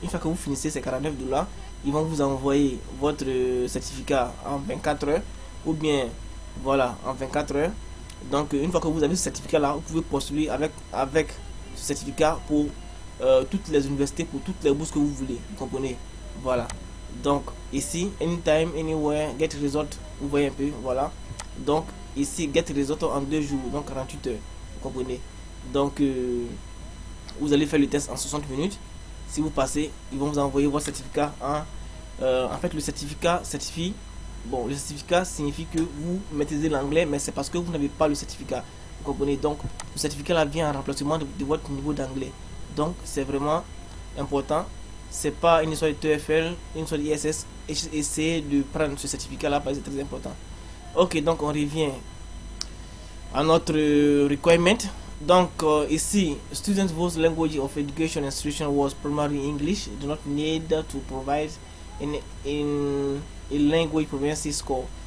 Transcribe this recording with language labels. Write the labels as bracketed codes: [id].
[fr] Une fois que vous finissez ces 49 dollars, ils vont vous envoyer votre certificat en 24 heures ou bien voilà en 24 heures. Donc, une fois que vous avez ce certificat-là, vous pouvez postuler avec ce certificat pour toutes les universités, pour toutes les bourses que vous voulez. Vous comprenez? Voilà. Donc, ici, [en] anytime, anywhere, get result. [fr] Vous voyez un peu, voilà. Donc, ici, [en] get result [fr] en 2 jours, donc 48 heures. Vous comprenez? Donc, vous allez faire le test en 60 minutes. Si vous passez, ils vont vous envoyer votre certificat. Hein? En fait, le certificat certifie. Bon, le certificat signifie que vous maîtrisez l'anglais, mais c'est parce que vous n'avez pas le certificat. Vous comprenez? Donc, le certificat là vient en remplacement de votre niveau d'anglais. Donc, c'est vraiment important. C'est pas une histoire de TOEFL, une histoire d'ISS. Essayez de prendre ce certificat-là parce que c'est très important. Ok, donc on revient à notre requirement. Donc, ici, [en] Students whose language of education instruction was primarily English do not need to provide in language proficiency score.